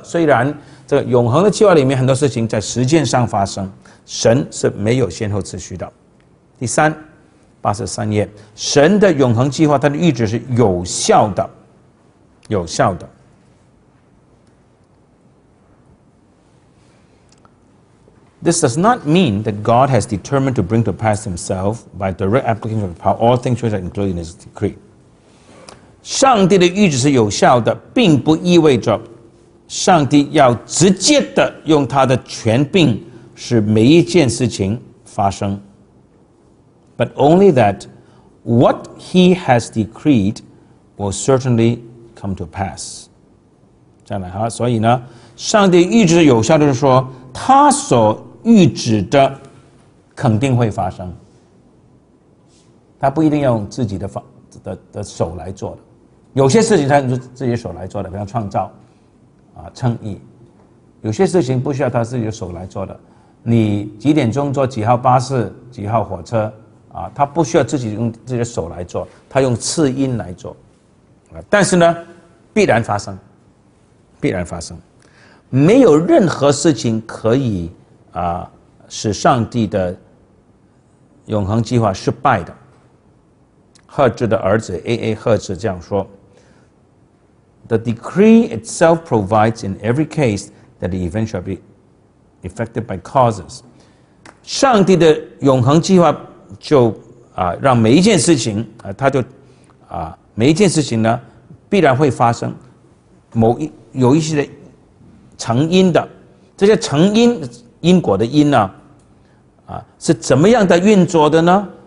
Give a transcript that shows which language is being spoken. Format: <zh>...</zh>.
<zh>虽然这个永恒的计划里面很多事情在时间上发生，神是没有先后次序的。第三，83页，神的永恒计划，他的预旨是有效的，有效的。</zh> <en>This does not mean that God has determined to bring to pass Himself by direct application of power. All things which are included in His decree.</en> <zh>上帝的预旨是有效的，并不意味着上帝要直接的用他的权柄使每一件事情发生。</zh> <en>But only that what He has decreed will certainly come to pass.</en> <zh>这样来哈，所以呢，上帝预旨是有效，就是说他所预指的肯定会发生，他不一定要用自己 的手来做的，有些事情他用自己手来做的，比方创造啊、称义，有些事情不需要他自己手来做的，你几点钟坐几号巴士几号火车啊，他不需要自己用自己的手来做，他用赐音来做、啊、但是呢必然发生，必然发生，没有任何事情可以啊，使上帝的永恒计划失败的。赫兹的儿子 A.A. 赫兹这样说</zh> <en>The decree itself provides in every case that the event shall be affected by causes.</en> <zh>上帝的永恒计划就、啊、让每一件事情、啊、他就、啊、每一件事情呢必然会发生某一有一些成因的，这些成因因果的因呢、啊，啊，是怎么样的运作的呢？</zh>